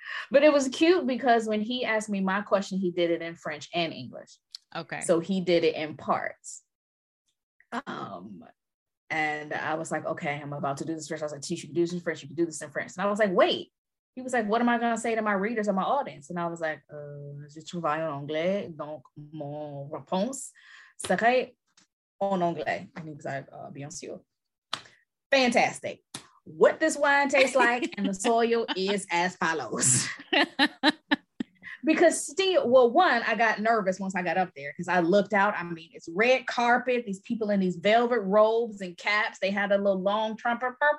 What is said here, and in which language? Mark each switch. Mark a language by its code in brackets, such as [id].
[en] But it was cute because when he asked me my question, he did it in French and English. Okay. So he did it in parts. And I was like, okay, I'm about to do this first. I was like, teach, you can do this in French, you can do this in French. And I was like, wait, he was like, what am I going to say to my readers and my audience? And I was like, [fr] je travaille en anglais, donc mon réponse serait en anglais. [en] And he was like, [fr] bien sûr. [en] Fantastic. What this wine tastes like and the soil is as follows. Because still, well, one, I got nervous once I got up there because I looked out. I mean, it's red carpet, these people in these velvet robes and caps. They had a little long trumpet.